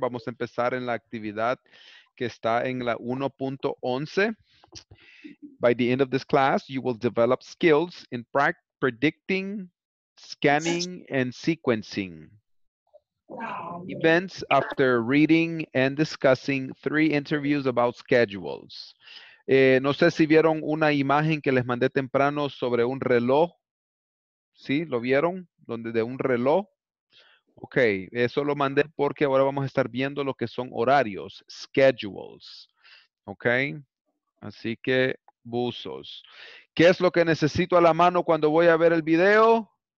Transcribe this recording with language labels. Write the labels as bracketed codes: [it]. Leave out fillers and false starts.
[es] Vamos a empezar en la actividad que está en la 1.11. [en] By the end of this class, you will develop skills in predicting, scanning, and sequencing. Events after reading and discussing three interviews about schedules. [es] No sé si vieron una imagen que les mandé temprano sobre un reloj. ¿Sí? ¿Lo vieron? Donde de un reloj. Ok, eso lo mandé porque ahora vamos a estar viendo lo que son horarios, schedules. Ok, así que buzos. ¿Qué es lo que necesito a la mano cuando voy a ver el video?